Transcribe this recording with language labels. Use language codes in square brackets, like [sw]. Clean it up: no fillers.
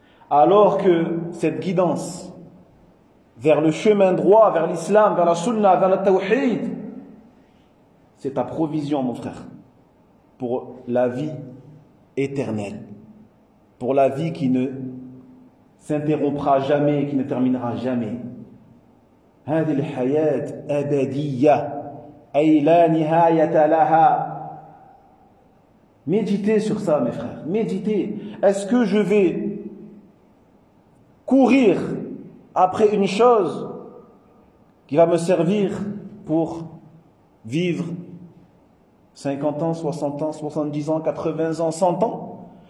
[fr] Alors que cette guidance vers le chemin droit, vers l'islam, vers la sunna, vers le tawhid, c'est ta provision, mon frère, pour la vie éternelle, pour la vie qui ne s'interrompra jamais, qui ne terminera jamais. [ar] هذه الحياة أبدية أي لا نهاية لها. [fr] Méditez sur ça, mes frères. Méditez. Est-ce que je vais courir après une chose qui va me servir pour vivre 50 ans, 60 ans, 70 ans, 80 ans, 100 ans?